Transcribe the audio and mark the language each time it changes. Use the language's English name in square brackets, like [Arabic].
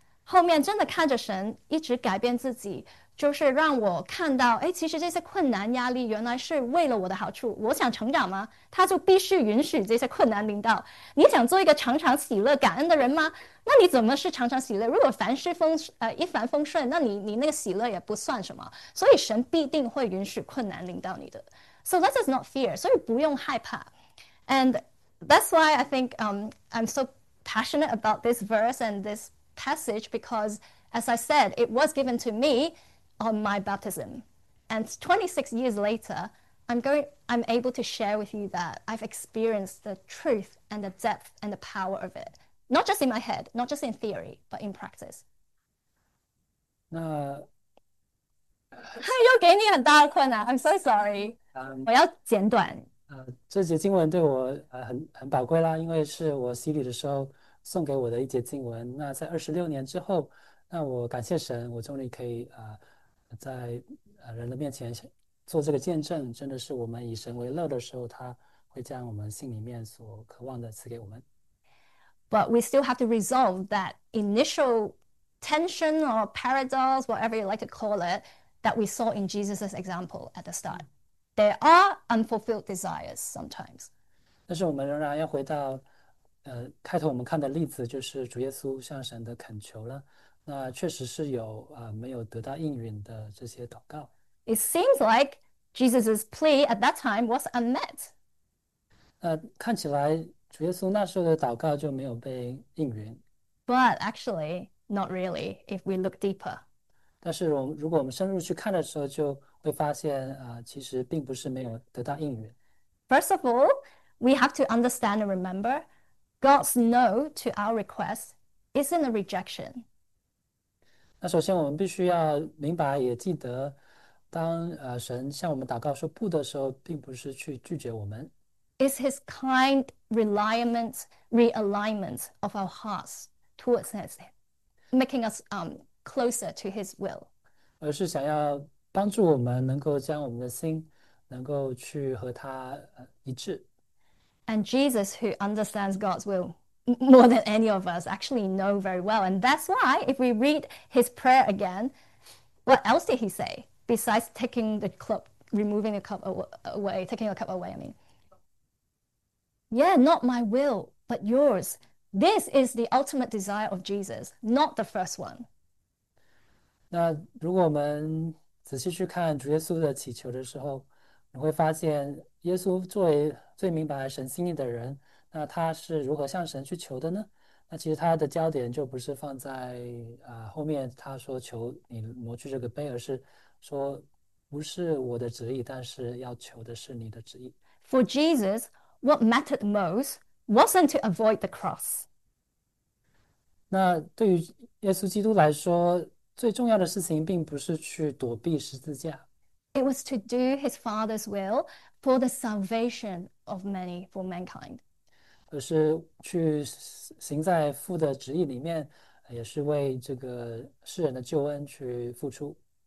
[Chinese] 后面真的看着神一直改变自己，就是让我看到，哎，其实这些困难压力原来是为了我的好处。我想成长吗？他就必须允许这些困难临到。你想做一个常常喜乐、感恩的人吗？那你怎么是常常喜乐？如果凡事风，一帆风顺，那你那个喜乐也不算什么。所以神必定会允许困难临到你的。 [English] So let us not fear. [Chinese] 所以不用害怕。 [English] And that's why I think I'm so passionate about this verse and this passage because, as I said, it was given to me on my baptism. And 26 years later, I'm able to share with you that I've experienced the truth and the depth and the power of it. Not just in my head, not just in theory, but in practice. [Chinese] 那，又给你很大的困难。 [English] I'm so sorry. [Chinese] 我要简短。这节经文对我很宝贵啦，因为是我洗礼的时候送给我的一节经文。那在26年之后，那我感谢神，我终于可以在人的面前做这个见证，真的是我们以神为乐的时候，他会将我们心里面所渴望的赐给我们。 [English] But we still have to resolve that initial tension or paradox, whatever you like to call it, that we saw in Jesus' example at the start. There are unfulfilled desires sometimes. [Chinese] 但是我们仍然要回到，开头我们看的例子，就是主耶稣向神的恳求了，那确实是有没有得到应允的这些祷告。 [English] It seems like Jesus's plea at that time was unmet. [Chinese] 那看起来主耶稣那时候的祷告就没有被应允。 [English] But actually, not really, if we look deeper. [Chinese] 但是如果我们深入去看的时候，就会发现其实并不是没有得到应允。 [English] First of all, we have to understand and remember God's no to our request isn't a rejection. [Chinese] 那首先，我们必须要明白，也记得，当神向我们祷告说不的时候，并不是去拒绝我们。 [English] It's His kind realignment of our hearts towards His, making us closer to His will. [Chinese] 而是想要帮助我们能够将我们的心能够去和他一致。 [English] And Jesus, who understands God's will more than any of us, actually know very well. And that's why, if we read his prayer again, what else did he say besides taking the cup, removing the cup away, taking the cup away, I mean? Yeah, not my will, but yours. This is the ultimate desire of Jesus, not the first one. [Chinese] 那如果我们仔细去看主耶稣的祈求的时候，你会发现，耶稣作为最明白神心意的人，那他是如何向神去求的呢？那其实他的焦点就不是放在后面他说求你挪去这个杯，而是说不是我的旨意，但是要求的是你的旨意。 [English] For Jesus, what mattered most wasn't to avoid the cross. [Chinese] 那对于耶稣基督来说，最重要的事情并不是去躲避十字架。 [English] It was to do his father's will for the salvation of many for mankind. [Chinese] 而是去行在父的旨意里面，也是为这个世人的救恩去付出。